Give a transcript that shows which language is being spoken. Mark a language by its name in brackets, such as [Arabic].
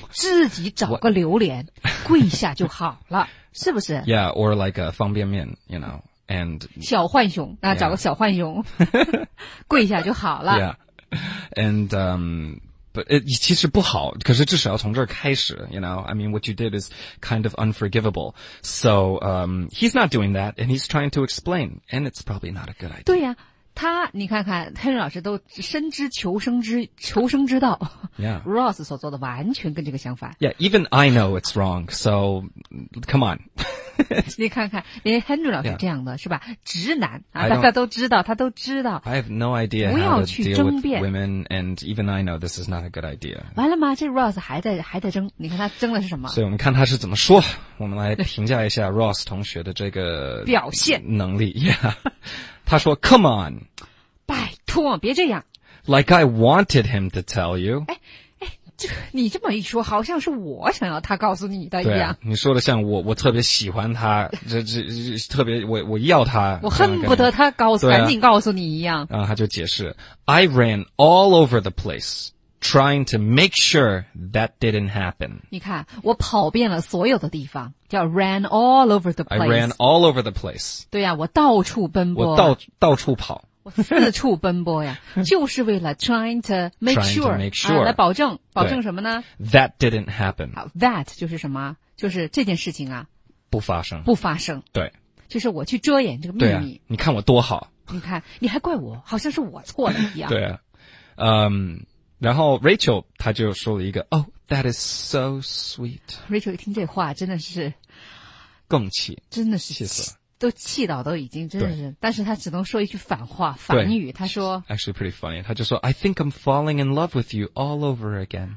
[Chinese] 自己找个榴莲跪下就好了是不是 [English] Yeah or like a 方便面 You know And [Chinese] 小浣熊那、找个小浣熊跪下就好了 [English] Yeah And But [Chinese] 其实不好可是至少要从这儿开始 [English] You know I mean what you did is kind of unforgivable So he's not doing that And he's trying to explain And it's probably not a good idea [Chinese] 对呀、他你看看 Henry 老师都深知求生之道 [English] Yeah [Chinese] Ross 所做的完全跟这个相反 [English] Yeah even I know it's wrong So come on [Chinese] 你看看连 Henry 老师这样的、是吧直男、大家都知道 [English] I have no idea [Chinese] 不要去争辩 [English] women, And even I know this is not a good idea [Chinese] 完了吗这 Ross 还在争你看他争的是什么所以我们看他是怎么说我们来评价一下 Ross 同学的这个表现能力 Yeah 他说 [English] Come on [Chinese] 拜托别这样 [English] Like I wanted him to tell you [Chinese] 你这么一说好像是我想要他告诉你的一样、你说的像我特别喜欢他这特别我要他我恨不得他告诉、赶紧告诉你一样然后他就解释 [English] I ran all over the place trying to make sure that didn't happen [Chinese] 你看我跑遍了所有的地方叫 [English] ran all over the place I ran all over the place [Chinese] 对呀、我到处奔波我到处跑我四处奔波呀就是为了 [English] trying to make sure, to make sure、 [Chinese] 来保证什么呢 [English] That didn't happen [Chinese] 好 That 就是什么就是这件事情啊不发生对就是我去遮掩这个秘密对、你看我多好你看你还怪我好像是我错了一样对、然后 Rachel 她就说了一个 [English] Oh that is so sweet [Chinese] Rachel 一听这话真的是更气真的是气死了都气到都已经真的是但是他只能说一句反话反语他说 [English] Actually pretty funny [Chinese] 他就说 [English] I think I'm falling in love with you all over again